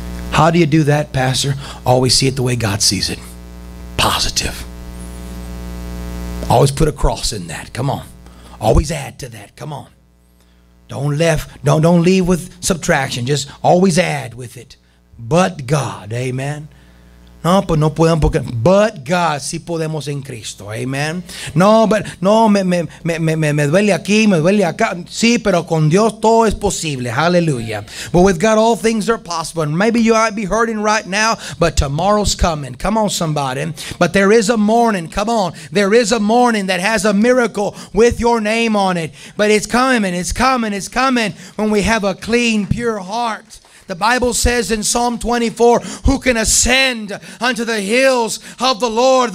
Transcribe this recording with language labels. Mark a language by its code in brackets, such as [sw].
[en] How do you do that, Pastor? Always see it the way God sees it. Positive. Always put a cross in that. Come on. Always add to that. Come on. Don't leave with subtraction. Just always add with it. But God. Amen. [es] No, pues no podemos porque, [en] but God, [es] si podemos en Cristo. Amen. No, but no, me duele aquí, me duele acá. Sí, pero con Dios todo es posible. [en] Hallelujah. But with God, all things are possible. And maybe you might be hurting right now, but tomorrow's coming. Come on, somebody. But there is a morning. Come on. There is a morning that has a miracle with your name on it. But it's coming. It's coming. It's coming when we have a clean, pure heart. The Bible says in Psalm 24, who can ascend unto the hills of the Lord?